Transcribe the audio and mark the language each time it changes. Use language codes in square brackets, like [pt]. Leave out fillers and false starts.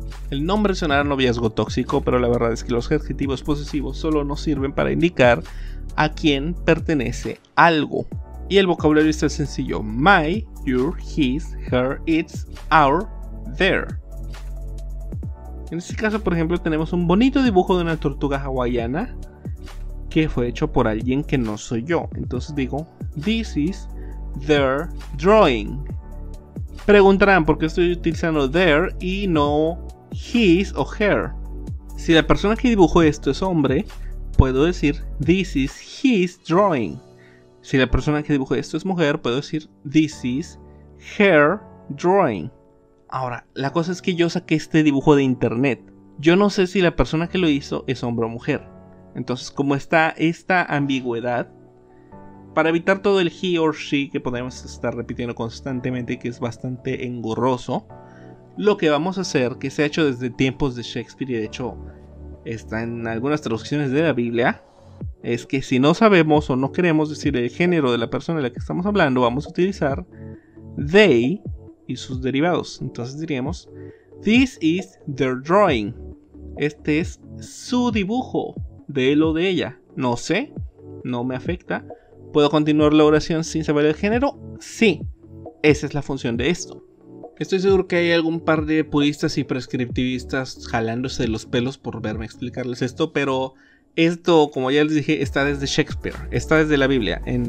[es] El nombre sonará noviazgo tóxico, pero la verdad es que los adjetivos posesivos solo nos sirven para indicar a quién pertenece algo. Y el vocabulario está sencillo: [en] my, your, his, her, its, our, their. [es] En este caso, por ejemplo, tenemos un bonito dibujo de una tortuga hawaiana que fue hecho por alguien que no soy yo. Entonces digo, [en] this is their drawing. [es] Preguntarán por qué estoy utilizando their y no his o her. Si la persona que dibujó esto es hombre, puedo decir, [en] this is his drawing. [es] Si la persona que dibujó esto es mujer, puedo decir, [en] this is her drawing. [es] Ahora, la cosa es que yo saqué este dibujo de internet. Yo no sé si la persona que lo hizo es hombre o mujer. Entonces, como está esta ambigüedad, para evitar todo el [en] he or she [es] que podemos estar repitiendo constantemente y que es bastante engorroso, lo que vamos a hacer, que se ha hecho desde tiempos de Shakespeare y de hecho está en algunas traducciones de la Biblia, es que si no sabemos o no queremos decir el género de la persona de la que estamos hablando, vamos a utilizar they y sus derivados. Entonces diríamos, [en] this is their drawing. [es] Este es su dibujo de él o de ella. No sé, no me afecta. ¿Puedo continuar la oración sin saber el género? Sí, esa es la función de esto. Estoy seguro que hay algún par de puristas y prescriptivistas jalándose de los pelos por verme explicarles esto, pero esto, como ya les dije, está desde Shakespeare, está desde la Biblia.